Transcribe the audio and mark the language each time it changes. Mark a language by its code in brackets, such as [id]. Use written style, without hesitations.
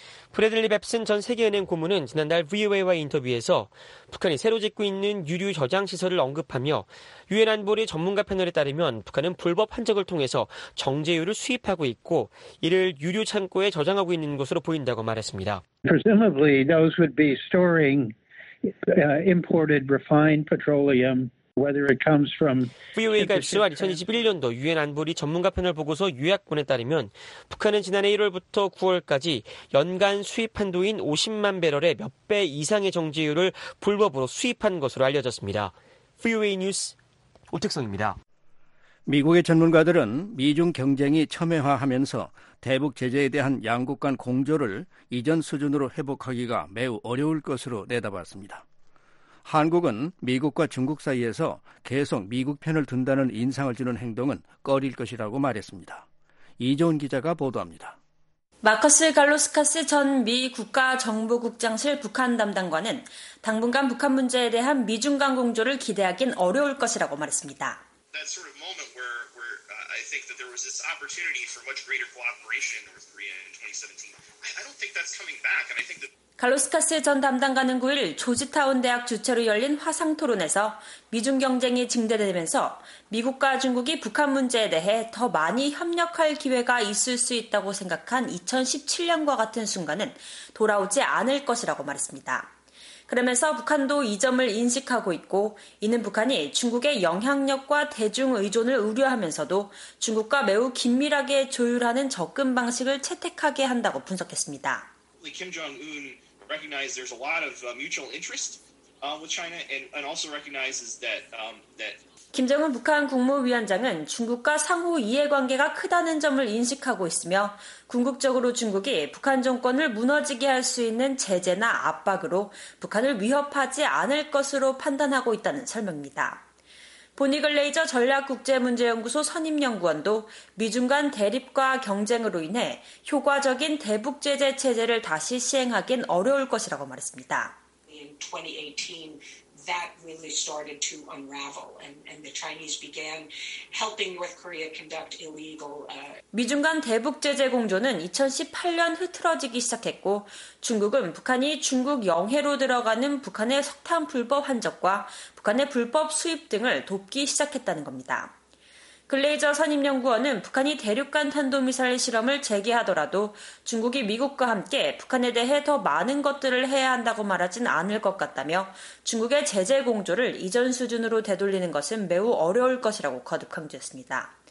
[ko] 브래들리 뱁슨 전 세계은행 고문은 지난달 VOA와 인터뷰에서 북한이 새로 짓고 있는 유류 저장 시설을 언급하며 유엔 안보리 전문가 패널에 따르면 북한은 불법 환적을 통해서 정제유를 수입하고 있고 이를 유류 창고에 저장하고 있는 것으로 보인다고 말했습니다. [en] Presumably those would be storing imported refined petroleum. [ko] VOA가 입수한 2021년도 유엔 안보리 전문가 패널 보고서 요약본에 따르면 북한은 지난해 1월부터 9월까지 연간 수입 한도인 50만 배럴의 몇 배 이상의 정제유를 불법으로 수입한 것으로 알려졌습니다. VOA 뉴스 오택성입니다. 미국의 전문가들은 미중 경쟁이 첨예화하면서 대북 제재에 대한 양국 간 공조를 이전 수준으로 회복하기가 매우 어려울 것으로 내다봤습니다. 한국은 미국과 중국 사이에서 계속 미국 편을 든다는 인상을 주는 행동은 꺼릴 것이라고 말했습니다. 이종훈 기자가 보도합니다. 마커스 갈로스카스 전 미 국가정보국장실 북한 담당관은 당분간 북한 문제에 대한 미중 간 공조를 기대하긴 어려울 것이라고 말했습니다. [en] That sort of moment where I think that there was this opportunity for much greater cooperation in North Korea in 2017. I don't think that's coming back. And I think that [ko] 갈로스카스 전 담당관은 9일 조지타운 대학 주최로 열린 화상 토론에서 미중 경쟁이 증대되면서 미국과 중국이 북한 문제에 대해 더 많이 협력할 기회가 있을 수 있다고 생각한 2017년과 같은 순간은 돌아오지 않을 것이라고 말했습니다. 그러면서 북한도 이 점을 인식하고 있고 이는 북한이 중국의 영향력과 대중 의존을 우려하면서도 중국과 매우 긴밀하게 조율하는 접근 방식을 채택하게 한다고 분석했습니다. [en] Kim Jong-un recognizes there's a lot of mutual interest with China and also recognizes that that [ko] 김정은 북한 국무위원장은 중국과 상호 이해관계가 크다는 점을 인식하고 있으며 궁극적으로 중국이 북한 정권을 무너지게 할 수 있는 제재나 압박으로 북한을 위협하지 않을 것으로 판단하고 있다는 설명입니다. 보니 글레이저 전략국제문제연구소 선임연구원도 미중 간 대립과 경쟁으로 인해 효과적인 대북 제재 체제를 다시 시행하긴 어려울 것이라고 말했습니다. [en] In 2018, that really started to unravel, and the Chinese began helping North Korea conduct illegal. [ko] 미중 간 대북 제재 공조는 2018년 흐트러지기 시작했고, 중국은 북한이 중국 영해로 들어가는 북한의 석탄 불법 환적과 북한의 불법 수입 등을 돕기 시작했다는 겁니다. 글레이저 선임연구원은 북한이 대륙간 탄도미사일 실험을 재개하더라도 중국이 미국과 함께 북한에 대해 더 많은 것들을 해야 한다고 말하진 않을 것 같다며 중국의 제재 공조를 이전 수준으로 되돌리는 것은 매우 어려울 것이라고 거듭 강조했습니다.